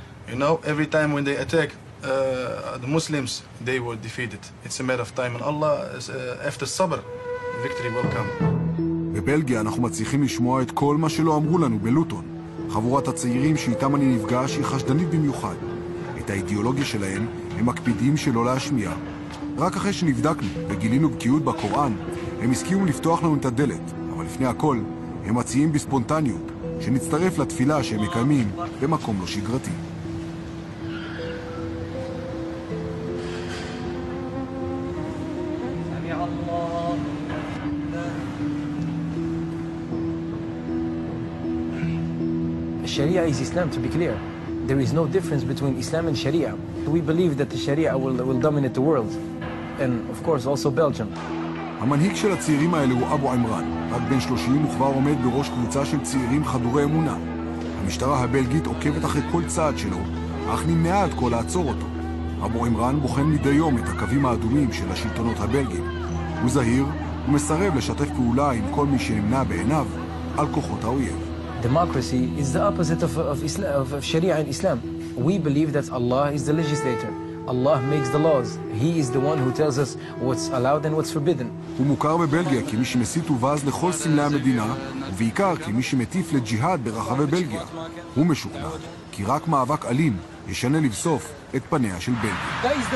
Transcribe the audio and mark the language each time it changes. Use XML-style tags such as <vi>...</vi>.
<en>You know, every time when they attack the Muslims, they were defeated. It's a matter of time, and Allah, after sabr, victory will come. In Belgium,</en> <he>אנחנו מצליחים לשמוע את כל מה שלא אמרו לנו בלוטון. חבורת הצעירים שאיתם אני נפגש היא חשדנית במיוחד. את האידיאולוגיה שלהם הם מקפידים שלא להשמיע. רק אחרי שנבדקנו וגילינו בקיאות בקוראן, הם הסכימו לפתוח לנו את הדלת. לפני הכל, הם מציעים בספונטניות שנצטרף לתפילה שהם מקיימים במקום לא שגרתי.</he> <en>Sharia is Islam, to be clear. There is no difference between Islam and Sharia. We believe that the Sharia will dominate the world. And of course also Belgium.</en> <he>המנהיג של הצעירים האלה הוא אבו עמרן, רק בן 30 וכבר עומד בראש קבוצה של צעירים חדורי אמונה. המשטרה הבלגית עוקבת אחרי כל צעד שלו, אך נמנעה עד כה לעצור אותו. אבו עמרן בוחן מדי יום את הקווים האדומים של השלטונות הבלגיים. הוא זהיר ומסרב לשתף פעולה עם כל מי שנמנע בעיניו על כוחות האויב.</he> <en>Democracy is the opposite of Sharia and Islam. We believe that Allah is the legislator. Allah makes the laws. He is the one who tells us what's allowed and what's forbidden.</en> <he>הוא מוכר בבלגיה כמי שמסית ובז לכל סמלי המדינה, ובעיקר כמי שמטיף לג'יהאד ברחבי בלגיה. הוא משוכנע כי רק מאבק אלים ישנה לבסוף את פניה של בלגיה.</he>